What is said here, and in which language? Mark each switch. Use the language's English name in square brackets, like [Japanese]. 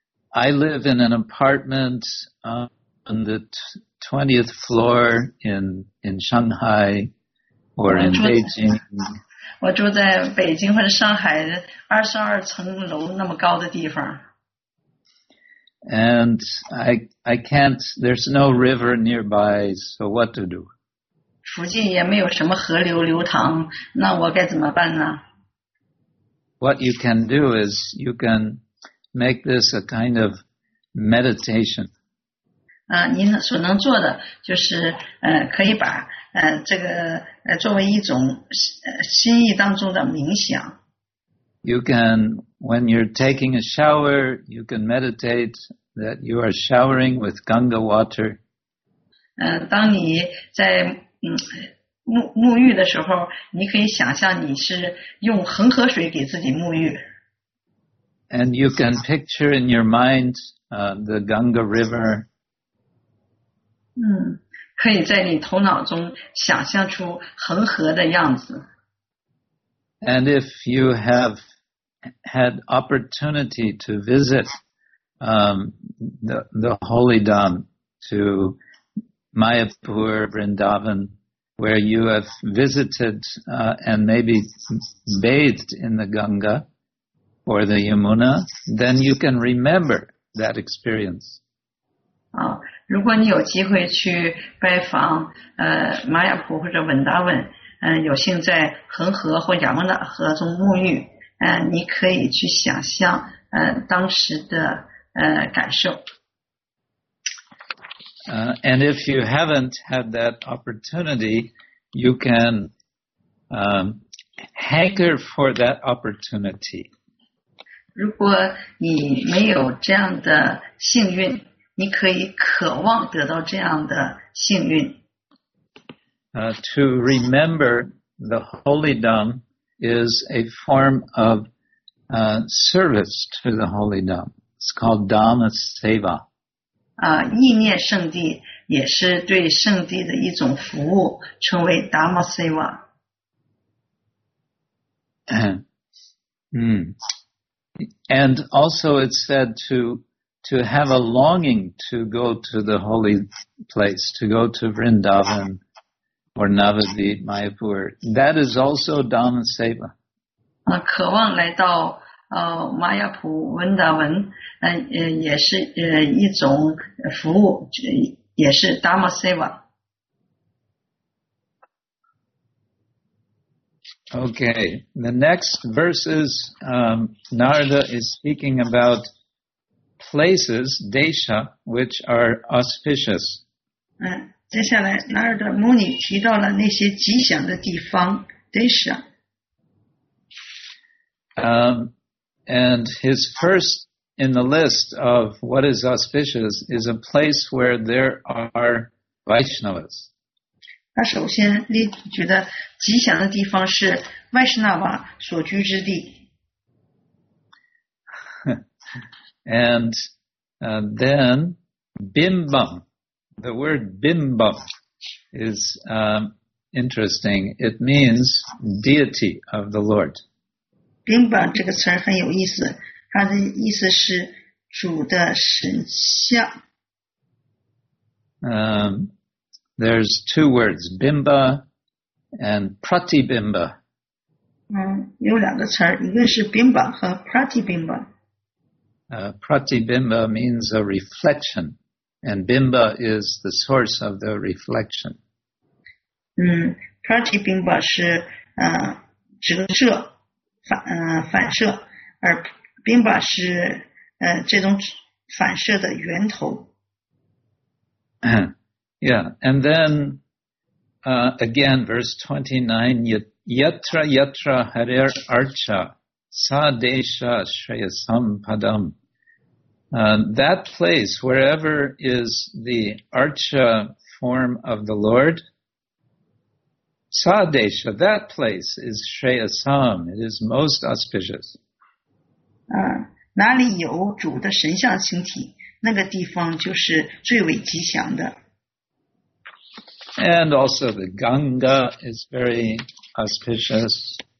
[English] I live in an apartment on the 20th floor in Shanghai or in Beijing. [Chinese] 我住在北京或者上海22层楼那么高的地方。 [English] And I can't, there's no river nearby, so what to do? [Chinese] 附近也没有什么河流流淌，那我该怎么办呢？ [English] What you can do is you can... make this a kind of meditation. [Chinese] 您所能做的就是可以把这个作为一种心意当中的冥想。 [English] You can, when you're taking a shower, you can meditate that you are showering with Ganga water. [Chinese] 当你在沐浴的时候，你可以想象你是用恒河水给自己沐浴。 [English] And you can picture in your mind, the Ganga River. [Chinese] 可以在你头脑中想象出恒河的样子。 [English] And if you have had opportunity to visit, the Holy Dham to Mayapur, Vrindavan, where you have visited, and maybe bathed in the Ganga,or the Yamuna, then you can remember that experience. [Chinese] 如果你有机会去拜访玛雅普或者文达文，有幸在恒河或亚穆纳河中沐浴，你可以去想象当时的感受。 [English] And if you haven't had that opportunity, you can hanker for that opportunity. [Chinese] 如果你没有这样的幸运，你可以渴望得到这样的幸运。 [English] To remember the Holy Dham is a form of service to the Holy Dham. It's called Dhamma Seva. [Chinese] 意念圣地也是对圣地的一种服务，称为 Dhamma Seva。 [English] And also it's said to have a longing to go to the holy place, to go to Vrindavan or Navadvip, Mayapur. That is also Dhamma Seva. [Chinese] 渴望来到玛雅普文达文也是一种服务，也是 Dhamma Seva。 [English] Okay, the next verses, Narada is speaking about places, desha, which are auspicious. [Chinese] 接下来 Narada Muni 提到了那些吉祥的地方 ,desha. [English] And his first in the list of what is auspicious is a place where there are Vaishnavas. [Chinese] 他首先觉得吉祥的地方是 Vaishnava 所居之地。 [English] And then Bimbam, the word Bimbam is interesting. It means deity of the Lord. [Chinese] Bimbam 这个词很有意思，它的意思是主的神像。 [English] There's two words, bimba and pratibimba. [Chinese] 有两个词，一个是 bimba 和 pratibimba。 [English] Pratibimba means a reflection, and bimba is the source of the reflection. [Chinese] Pratibimba 是折射，反射，而 bimba 是这种反射的源头。 [English] Yeah, and then again, verse 29, [Sanskrit] yatra yatra harer archa sa desha shreyasam padam. [English] That place, wherever is the archa form of the Lord, sa desha, that place is shreyasam, it is most auspicious. [Chinese] 哪里有主的神像形体，那个地方就是最为吉祥的。 [English] And also the Ganga is very auspicious.